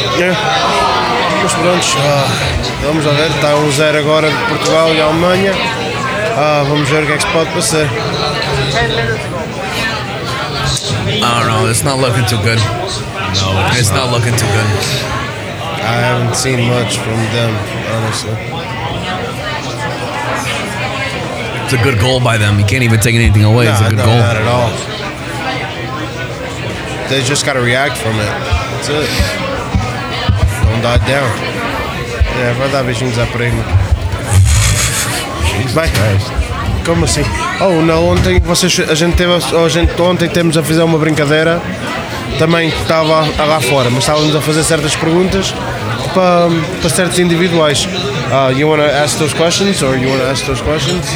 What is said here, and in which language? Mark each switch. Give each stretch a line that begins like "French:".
Portuguese: Mas pronto, vamos a ver, está 1-0 agora de Portugal e Alemanha, vamos ver o que é que se pode passar.
English: I don't know, it's not looking too good. No, it's not looking too good. I haven't seen much from them, honestly. It's a good goal by them. You can't even take anything away. No, it's a good goal. Not at all. They just got to react from it. That's it. Don't die down.
Portuguese: Yeah, vai dar beijinhos à prima.
English: Jesus Christ.
Portuguese: Como assim? Oh, não, ontem a gente teve a fazer uma brincadeira também que estava lá fora, mas estávamos a fazer certas perguntas para certos individuais.
English: You want to ask those questions or you want to ask those questions?